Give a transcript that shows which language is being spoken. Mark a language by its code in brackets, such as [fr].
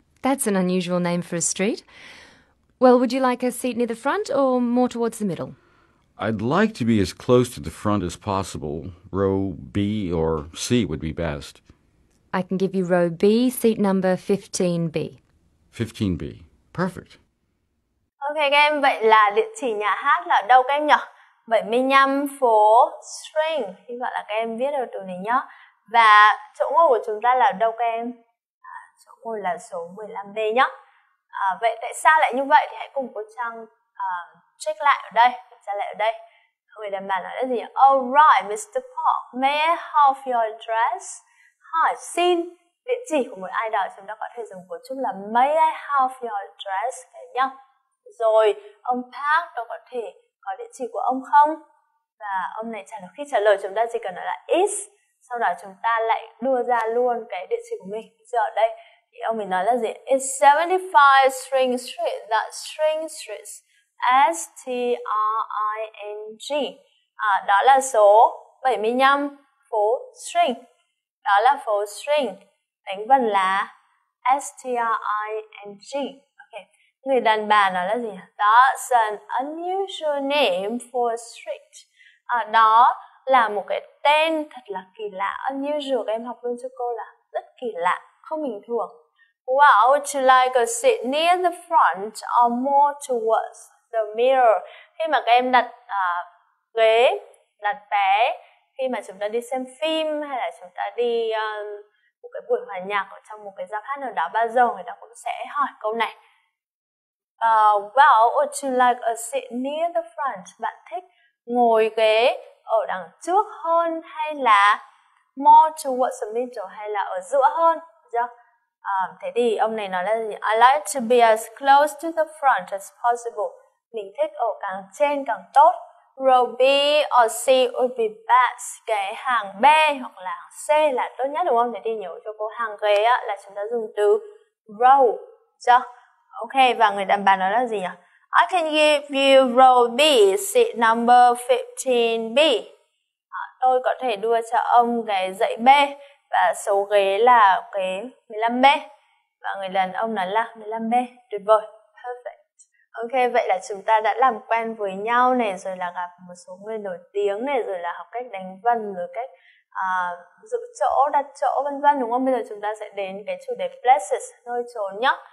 [en] That's an unusual name for a street. Well, would you like a seat near the front or more towards the middle? I'd like to be as close to the front as possible. Row B or C would be best. I can give you row B, seat number 15B. 15B. Perfect. [vi] Ok các em, vậy là địa chỉ nhà hát là đâu các em nhỉ? 75 phố String, hy vọng là các em viết được từ này nhá. Và chỗ ngồi của chúng ta là đâu các em? Chỗ ngồi là số 15B nhá. Vậy tại sao lại như vậy thì hãy cùng cô Trang check lại ở đây. Trả lại ở đây. Người đàn bà nói là gì nhỉ? [en] Alright, Mr. Park, may I have your address? [vi] Hỏi xin địa chỉ của một ai đó, chúng ta có thể dùng cấu trúc là [en] may I have your address [vi] các em nhá. Rồi, ông Park, tôi có thể có địa chỉ của ông không? Và ông này trả lời, khi trả lời chúng ta chỉ cần nói là is. Sau đó chúng ta lại đưa ra luôn cái địa chỉ của mình. Giờ ở đây, thì ông mình nói là gì? [en] It's 75 String Street, that String Street, S-T-R-I-N-G. [vi] Đó là số 75 phố String. Đó là phố String, đánh vần là S-T-R-I-N-G. Người đàn bà nói là gì? [en] That's an unusual name for a street. [vi] Đó là một cái tên thật là kỳ lạ. Unusual, các em học luôn cho cô là rất kỳ lạ. không bình thường. [en] Wow, would you like a seat near the front or more towards the mirror? [vi] Khi mà các em đặt ghế, đặt vé, khi mà chúng ta đi xem phim hay là chúng ta đi một cái buổi hòa nhạc ở trong một cái giáp hát nào đó, bao giờ người ta cũng sẽ hỏi câu này. [en] Well, would you like a seat near the front? [vi] Bạn thích ngồi ghế ở đằng trước hơn hay là [en] more towards the middle [vi] hay là ở giữa hơn? Thế thì ông này nói là gì? [en] I like to be as close to the front as possible. [vi] Mình thích ở càng trên càng tốt. [en] Row B or C would be best. [vi] Cái hàng B hoặc là hàng C là tốt nhất đúng không? Thế thì nhớ cho cô hàng ghế á, là chúng ta dùng từ row. Yeah. Ok, và người đàn bà nói là gì nhỉ? [en] I can give you row B, seat number 15B. [vi] Tôi có thể đưa cho ông cái dãy B và số ghế là cái 15B. Và người đàn ông nói là 15B. Tuyệt vời. Perfect. Ok, vậy là chúng ta đã làm quen với nhau này, rồi là gặp một số người nổi tiếng này, rồi là học cách đánh vần, rồi cách giữ chỗ, đặt chỗ vân vân đúng không? Bây giờ chúng ta sẽ đến cái chủ đề places, nơi chốn nhá.